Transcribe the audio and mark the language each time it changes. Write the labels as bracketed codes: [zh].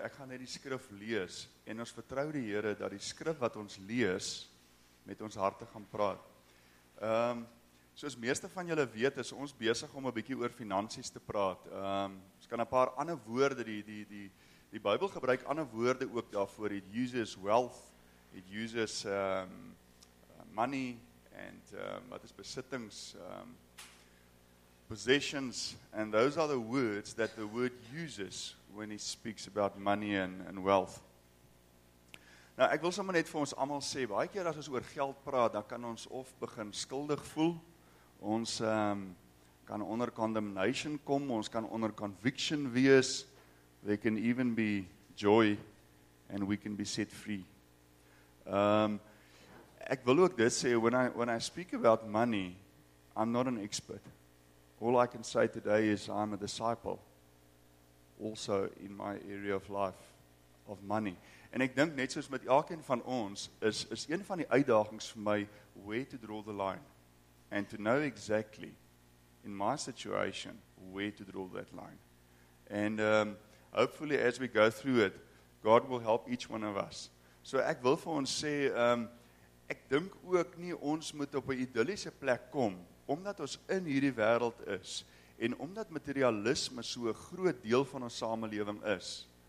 [af] Ek gaan net die skrif lees en ons vertrou die Here dat die skrif wat ons lees met ons harte gaan praat. Soos meeste van julle weet, is ons besig om 'n bietjie oor finansies te praat. Ons kan 'n paar ander woorde, die Bybel gebruik ander woorde ook daarvoor. [en] It uses wealth, it uses money, and [af] wat is besittings, [en] possessions, and those are the words that the word uses when he speaks about money and wealth. [af] Nou, ek wil sommer net vir ons allemaal sê, baie keer as ons oor geld praat, dan kan ons of begin skuldig voel, ons kan onder condemnation kom, ons kan onder conviction wees, [en] we can even be joy, and we can be set free. [af] Ek wil ook dit sê, [en] when I speak about money, I'm not an expert. All I can say today is I'm a disciple, also in my area of life, of money. [af] En ek dink net soos met elkeen van ons, is een van die uitdagings vir my, [en] where to draw the line. And to know exactly, in my situation, where to draw that line. And hopefully as we go through it, God will help each one of us. [af] So ek wil vir ons sê, ek dink ook nie ons moet op 'n idilliese plek kom, omdat ons in hierdie wêreld is, en omdat materialisme so 'n groot deel van ons samelewing is.